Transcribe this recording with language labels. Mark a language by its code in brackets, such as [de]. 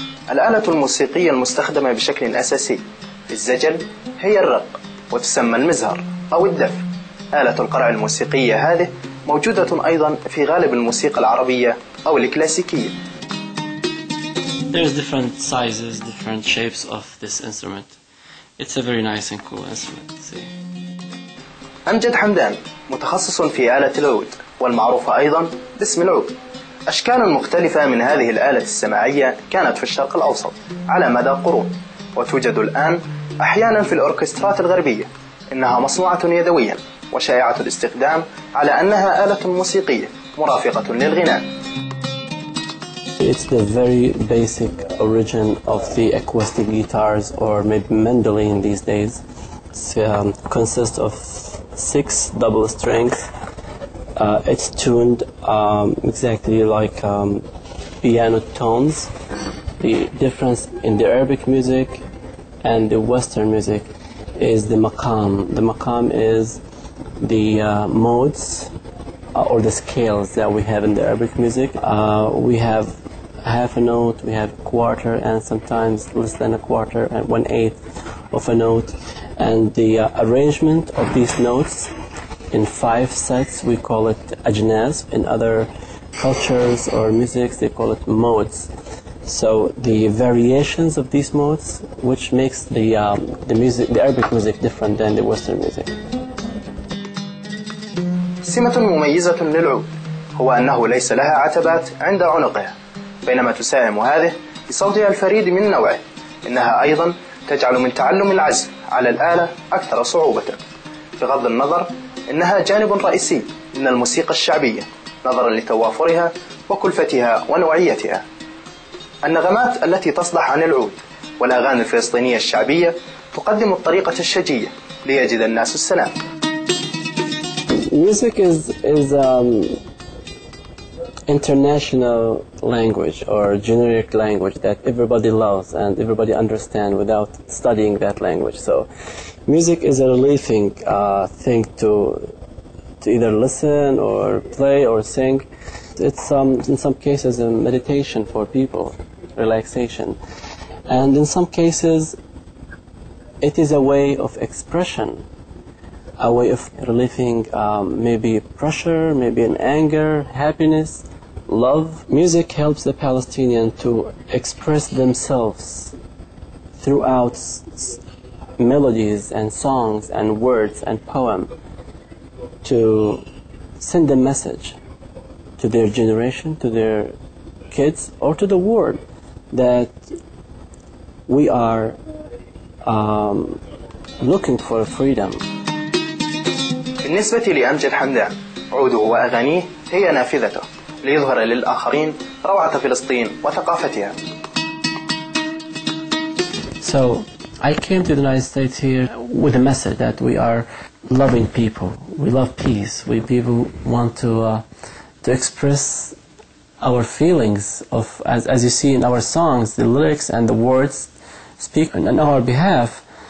[ar] الآلة الموسيقية المستخدمة بشكل أساسي في الزجل هي الرق وتسمى المزهر أو الدف. آلة القرع الموسيقية هذه موجودة أيضا في غالب الموسيقى العربية أو الكلاسيكية. [en] There's different sizes, different shapes of this instrument. It's a very nice and cool instrument. [ar] أمجد حمدان متخصص في آلة العود والمعروفة أيضا باسم العود. أشكال مختلفة من هذه الآلة السماعية كانت في الشرق الأوسط على مدى قرون وتوجد الآن أحياناً في الأوركسترات الغربية. إنها مصنوعة يدوياً وشائعة الاستخدام على أنها آلة موسيقية مرافقة للغناء. [en] It's the very basic origin of the acoustic guitars or maybe mandolin these days. It consists of six double strings. It's tuned exactly like piano tones. The difference in the Arabic music and the Western music is the maqam. The maqam is the modes or the scales that we have in the Arabic music. We have half a note, we have quarter, and sometimes less than a quarter, and 1/8 of a note. And the arrangement of these notes in five sets, we call it ajnas. In other cultures or musics, they call it modes. So the variations of these modes, which makes the music, the Arabic music, different than the Western music. [ar] سمة مميزة للعود هو أنه ليس لها عتبات عند عنقه، بينما تساهم هذه بصوتها الفريد من نوعه. إنها أيضا تجعل من تعلم العزف على الآلة أكثر صعوبة. بغض النظر، إنها جانب رئيسي من الموسيقى الشعبية، نظرا لتوافرها وكلفتها ونوعيتها. النغمات التي تصدح عن العود والأغاني الفلسطينية الشعبية تقدم الطريقة الشجية ليجد الناس السلام. [en] Music is international language or generic language that everybody loves and everybody understands without studying that language. So music is a relieving thing to either listen or play or sing. It's in some cases a meditation for people, relaxation. And in some cases it is a way of expression, a way of relieving maybe pressure, maybe an anger, happiness, love. Music helps the Palestinian to express themselves throughout melodies and songs and words and poem to send a message to their generation, to their kids, or to the world that we are looking for freedom. [ar] بالنسبة لأمجد حمدان، عوده وأغانيه هي نافذته ليظهر للآخرين روعة فلسطين وثقافتها. [en] So I came to the United States here with a message that we are loving people. We love peace. We people want to express our feelings of, as you see in our songs, the lyrics and the words speak on our behalf.